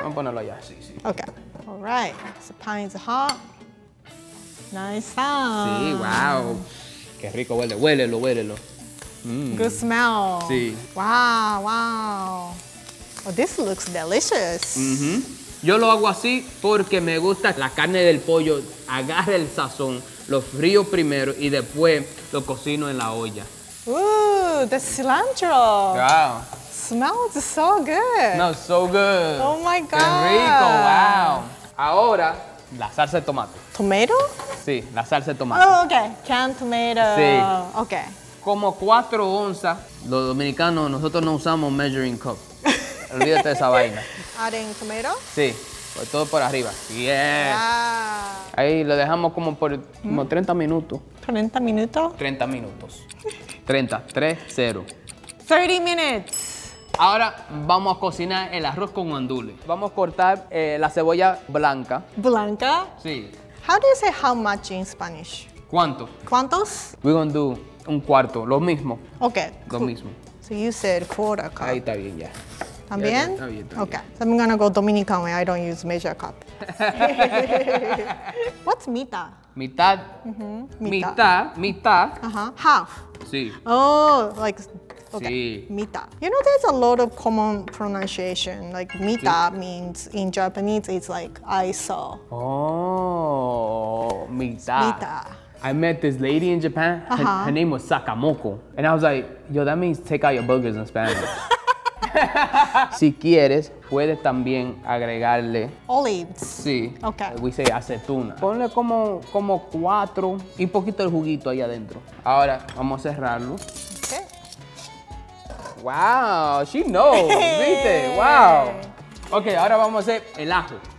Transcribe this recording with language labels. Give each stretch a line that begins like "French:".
Spanish: Vamos a ponerlo ya. Sí, sí.
English: Okay. All right. So pine is hot. Nice sound.
Spanish: Sí, wow. Qué rico huele. Huélelo, huélelo.
English: Mm. Good smell.
Spanish: Sí.
English: Wow, wow. Oh, this looks delicious. Mm-hmm.
Spanish: Yo lo hago así porque me gusta la carne del pollo. Agarre el sazón, lo frío primero y después lo cocino en la olla.
English: Ooh, the cilantro. Wow. Smells so good. No, so good. Oh my God.
Spanish: Qué rico, wow. Ahora. La salsa de tomate.
English: ¿Tomato?
Spanish: Sí, la salsa de tomate.
English: Oh, okay. Canned tomato.
Spanish: Sí.
English: Okay.
Spanish: Como 4 onzas. Los dominicanos, nosotros no usamos
English: measuring cup.
Spanish: Olvídate de esa vaina.
English: ¿Adding tomato?
Spanish: Sí. Pues todo por arriba. Yes.
English: Wow.
Spanish: Ahí lo dejamos como por como 30 minutos. ¿30 minutos? 30 minutos. 30, 3, 0.
English: 30 minutes.
Spanish: Ahora vamos a cocinar el arroz con guandule. Vamos a cortar la cebolla blanca. ¿Blanca? Sí.
English: How do you say how much in Spanish?
Spanish: ¿Cuánto? ¿Cuántos?
English: We're going to do
Spanish: un quarto, lo mismo.
English: Ok.
Spanish: Lo mismo.
English: So you said quarter cup.
Spanish: Ahí está bien, ya. ¿También? Está bien.
English: Ok. So I'm going to go Dominican way. I don't use measure cup. What's mitad?
Spanish: Mitad. Mm-hmm. Mitad.
English: Uh-huh. Half.
Spanish: Sí.
English: Oh, like... Okay,
Spanish: sí. Mita.
English: You know, there's a lot of common pronunciation. Like, mita sí. Means, in Japanese, it's like, I saw. Oh, mita. Mita. I met this lady in Japan. Uh-huh. Her name was Sakamoko. And I was like, yo, that means take out your boogers in Spanish.
Spanish: Si quieres, puedes también agregarle...
English: Olives.
Spanish: Sí.
English: Okay. We say aceituna.
Spanish: Ponle como 4 y poquito el juguito ahí adentro. Ahora, vamos a cerrarlo.
English: Wow, she knows,
Spanish: ¿viste? Wow. Okay, ahora vamos a hacer el ajo.